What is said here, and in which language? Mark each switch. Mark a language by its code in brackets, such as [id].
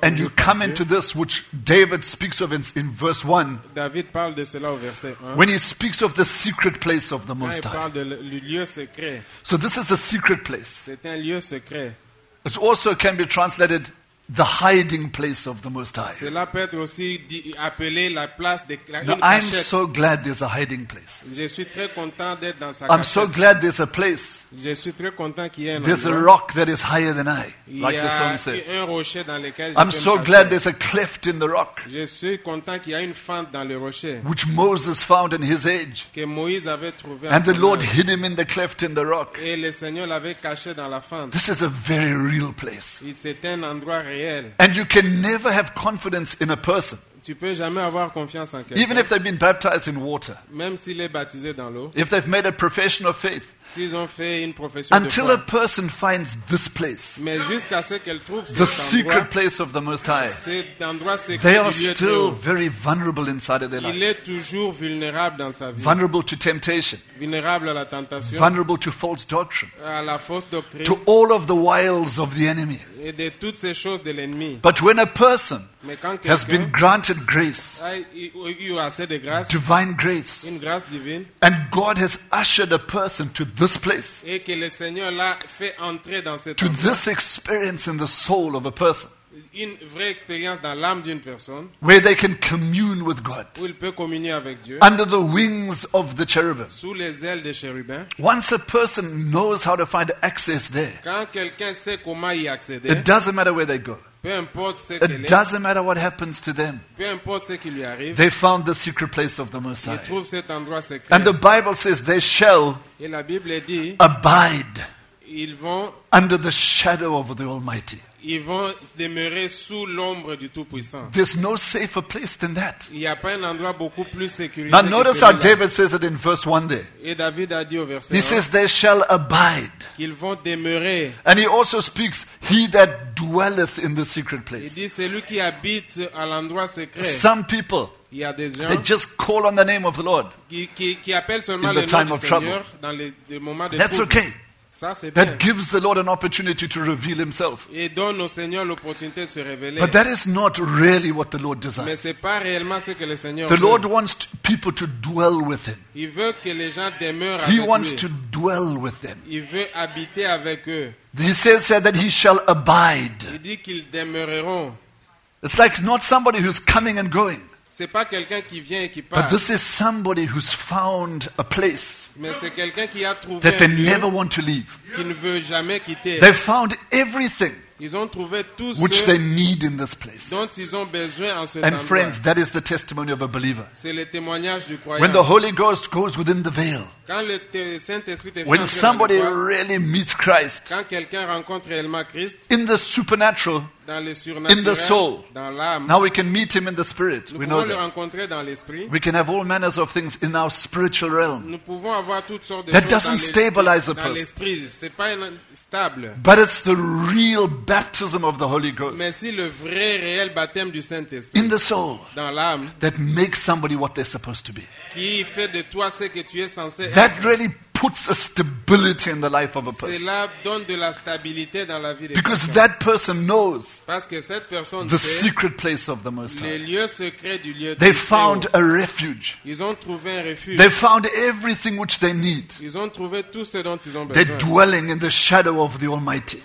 [en] and you come into this which David speaks of in verse 1. [fr] David parle de cela au verset 1. [en] When he speaks of the secret place of the Most High. [fr] Il parle du lieu secret. [en] So this is a secret place. [fr] C'est un lieu secret. [en] It also can be translated the hiding place of the Most High. [fr] Cela peut être aussi appelé la place de la [en] cachette. I'm so glad there's a hiding place. [fr] Je suis très content d'être dans sa [en] cachette. I'm so glad there's a place. [fr] Je suis très content qu'il y ait un [en] there's a rock that is higher than I, like the psalm says. [fr] Un rocher dans lequel [en] I'm so glad there's a cleft in the rock. [fr] Je suis content qu'il y ait une fente dans le rocher. [en] Which Moses found in his age. [fr] Que Moïse avait trouvé [en] and the Lord hid him in the cleft in the rock. [fr] Et le Seigneur l'avait caché dans la fente. [en] This is a very real place. [fr] Et c'est un endroit réel. [en] And you can never have confidence in a person. [fr] Tu peux jamais avoir confiance en quelqu'un. [en] Even if they've been baptized in water. [fr] Même s'il est baptisé dans l'eau. [en] If they've made a profession of faith. [fr] S'ils ont fait une profession [en] until [fr] de foi. [en] A person finds this place. [fr] Mais jusqu'à ce qu'elle trouve [en] the [fr] cet endroit, [en] secret place of the Most High. [fr] Cet endroit secret [en] they are still very vulnerable inside of their lives. [fr] Il est toujours vulnérable dans sa vie. [en] Vulnerable to temptation. [fr] Vulnérable à la tentation. [en] Vulnerable to false doctrine. [fr] À la fausse doctrine. [en] To all of the wiles of the enemy. [fr] Et de toutes ces choses de l'ennemi. [en] But when a person [fr] mais quand [en] has been granted grace, [fr] eu assez de grâce, [en] divine grace, [fr] une grâce divine, [en] and God has ushered a person to this place, [fr] et que le Seigneur l'a fait entrer dans cet [en] to endroit, this experience in the soul of a person, [fr] une vraie expérience dans l'âme d'une personne, [en] where they can commune with God, [fr] où il peut communier avec Dieu, [en] under the wings of the cherubim, [fr] sous les ailes des chérubins. [en] Once a person knows how to find access there, [fr] quand quelqu'un sait comment y accéder, [en] it doesn't matter where they go. It doesn't matter what happens to them. They found the secret place of the Most High. And the Bible says they shall abide under the shadow of the Almighty. [fr] Ils vont demeurer sous l'ombre du Tout-Puissant. [en] There's no safer place than that. [fr] Il n'y a pas un endroit beaucoup plus sécurisé. [en] Now notice how David says it in verse 1 there. [fr] Et David a dit au verset 1. [en] He says they shall abide. [fr] Ils vont demeurer. [en] And he also speaks he that dwelleth in the secret place. [fr] Il dit celui qui habite à l'endroit secret. [en] Some people. [fr] Il y a des gens [en] they just call on the name of the Lord. [fr] Qui appelle seulement le nom du Seigneur dans les moments de [en] trouble. That's okay. [fr] Ça, c'est [en] that [fr] bien. [en] Gives the Lord an opportunity to reveal himself. [fr] Et donne au Seigneur l'opportunité de se révéler. [en] But that is not really what the Lord desires. [fr] Mais c'est pas réellement ce que le Seigneur [en] the [fr] veut. [en] Lord wants people to dwell with him. [fr] Il veut que les gens demeurent [en] he [fr] avec [en] wants [fr] lui. [en] To dwell with them. [fr] Il veut habiter avec eux. [en] He says that he shall abide. [fr] Il dit qu'ils demeureront. [en] It's like not somebody who's coming and going. [fr] C'est pas quelqu'un qui vient et qui part. [en] But this is somebody who's found a place [fr] mais c'est quelqu'un qui a trouvé [en] that they never want to leave. [fr] Qui ne veut jamais quitter. [en] They found everything [fr] ils ont trouvé tout [en] which [fr] ce [en] they need in this place. [fr] Dont ils ont besoin en cet [en] and [fr] endroit. [en] Friends, that is the testimony of a believer. [fr] C'est le témoignage du croyant. [en] When the Holy Ghost goes within the veil, [fr] quand le Saint-Esprit est [en] when somebody really meets Christ, [fr] quand quelqu'un rencontre réellement Christ [en] in the supernatural, [fr] dans le surnaturel, [en] in the soul, [fr] dans l'âme, [en] now we can meet him in the spirit. [fr] Nous [en] we know [fr] le rencontrer dans l'esprit. [en] We can have all manners of things in our spiritual realm. [fr] Nous pouvons avoir toutes sortes de [en] that doesn't stabilize a person. [fr] Dans l'esprit. C'est pas stable. [en] But it's the real baptism of the Holy Ghost. [fr] Mais c'est le vrai réel baptême du Saint-Esprit. [en] In the soul. [fr] Dans l'âme. [en] That makes somebody what they're supposed to be. [fr] Qui fait de toi ce que tu es censé [en] that really puts a stability in the life of a person. [fr] Cela donne de la stabilité dans la vie de [en] Because [fr] quelqu'un. [en] That person knows [fr] Parce que cette personne [en] the [fr] sait [en] secret place of the Most High. [fr] Les lieux secrets du lieu [en] they [fr] du [en] found a refuge. [fr] Ils ont trouvé un refuge. [en] They found everything which they need. [fr] Ils ont trouvé tout ce dont ils ont besoin. [en] They're dwelling in the shadow of the Almighty.